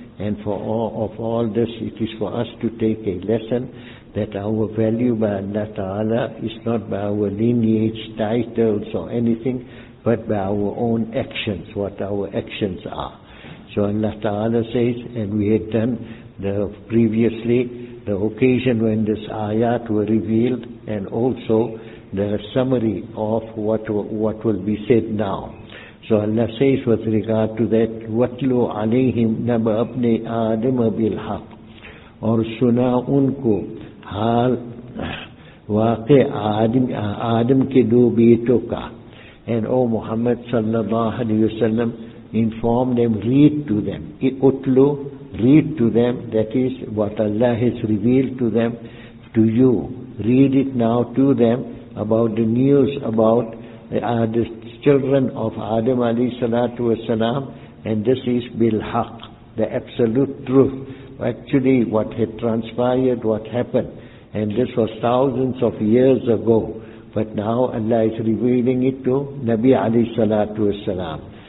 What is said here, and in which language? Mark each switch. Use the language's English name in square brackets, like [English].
[English] And for all of all this, it is for us to take a lesson that our value by Allah Ta'ala is not by our lineage, titles or anything, but by our own actions, what our actions are. So Allah Ta'ala says, and we had done previously the occasion when this ayat were revealed and also the summary of what will be said now. So Allah says with regard to that, [Arabic] وَتْلُوا عَلَيْهِمْ نَبَأَ ابْنِي آدَمَ بِالْحَقِّ [Urdu] اور سنا ان کو حال واقع آدم کے دو بیٹوں کا. [English] And O Muhammad sallallahu alayhi wa sallam, inform them, read to them. اُتْلُوا, read to them, that is what Allah has revealed to them, to you. Read it now to them about the news about children of Adam alayhi salatu wasalam, and this is bil haq, the absolute truth, actually what had transpired, what happened, and this was thousands of years ago, but now Allah is revealing it to Nabi alayhi salatu wasalam.